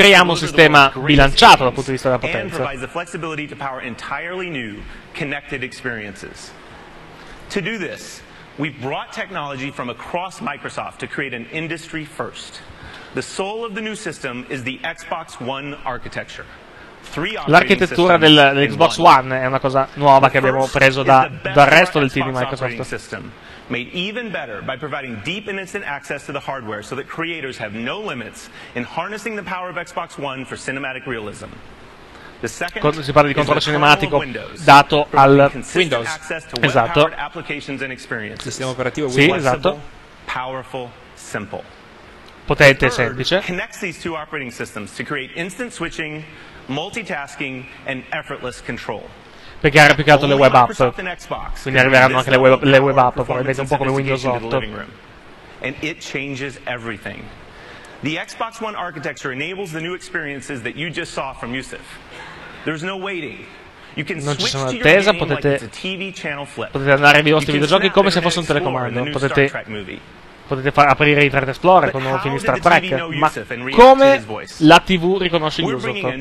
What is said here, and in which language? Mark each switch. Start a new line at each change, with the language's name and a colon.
Italian: creiamo un sistema bilanciato dal punto di vista della potenza.
English: And provides the flexibility to power entirely new connected experiences. To do this, we've brought technology from across Microsoft to create an industry first. The soul of the new system is the Xbox One architecture.
Italian: L'architettura dell'Xbox One è una cosa nuova che abbiamo preso dal resto del team di Microsoft.
English: Made even better by providing deep and instant access to the hardware so that creators have no limits in harnessing the power of Xbox One for cinematic realism. The second
Italian: si parla di controllo cinematico dato al
English: Windows.
Italian: Esatto.
English: Applications and experiences.
Italian: Sistema operativo Windows. Sì, esatto.
English: Powerful, simple.
Italian: Potente e semplice.
English: Connects these two operating systems to create instant switching, multitasking and effortless control.
Italian: Perché ha replicato le web app, quindi arriveranno anche le web app, probabilmente un po' come Windows 8.
English: And it changes everything. The Xbox One architecture enables the new experiences that you just saw from Yusuf. There's no waiting. You can switch to your game like it's a TV channel flip.
Italian: Potete andare ai vostri videogiochi come se fosse un telecomando. Potete far aprire Internet Explorer con un nuovo film di Star Trek, ma come la TV riconosce Yusuf?